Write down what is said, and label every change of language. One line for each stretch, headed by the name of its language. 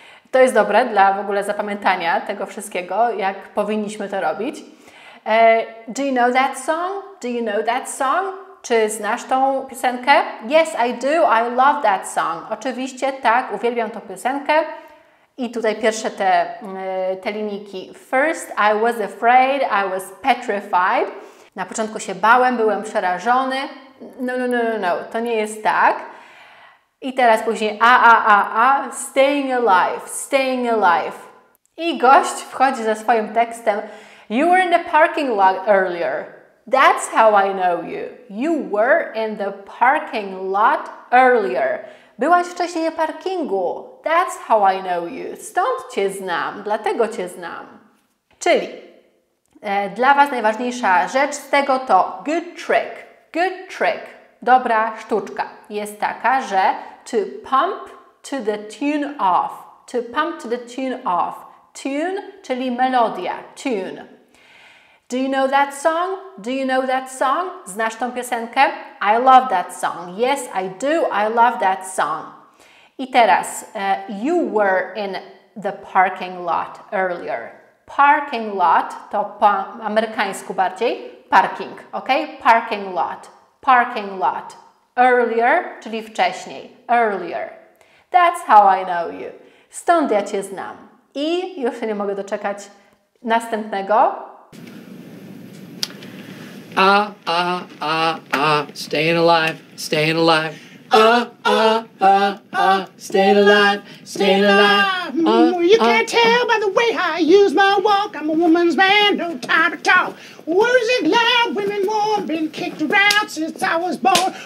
Polish: To jest dobre dla w ogóle zapamiętania tego wszystkiego, jak powinniśmy to robić.
English: Do you know that song? Do you know that song?
Polish: Czy znasz tą piosenkę?
English: Yes, I do. I love that song.
Polish: Oczywiście, tak, uwielbiam tą piosenkę. I tutaj pierwsze te linijki.
English: First, I was afraid, I was petrified.
Polish: Na początku się bałem, byłem przerażony. No, to nie jest tak. I teraz później
English: staying alive, staying alive.
Polish: I gość wchodzi ze swoim tekstem.
English: You were in the parking lot earlier. That's how I know you. You were in the parking lot earlier.
Polish: Byłaś wcześniej w parkingu.
English: That's how I know you.
Polish: Stąd cię znam, dlatego cię znam. Czyli dla was najważniejsza rzecz z tego to
English: good trick. Good trick.
Polish: Dobra sztuczka. Jest taka, że
English: to pump to the tune of. To pump to the tune of. Tune,
Polish: czyli melodia.
English: Tune. Do you know that song? Do you know that song?
Polish: Znasz tą piosenkę?
English: I love that song. Yes, I do. I love that song.
Polish: I teraz,
English: you were in the parking lot earlier.
Polish: Parking lot to po amerykańsku bardziej. Parking, ok? Parking lot. Parking lot.
English: Earlier,
Polish: czyli wcześniej.
English: Earlier. That's how I know you.
Polish: Stąd ja cię znam. I już się nie mogę doczekać następnego.
English: Staying alive, staying alive. Staying alive, staying alive. You can't tell by the way I use my walk. I'm a woman's man, no time to talk. Words ain't loud, women warm, been kicked around since I was born.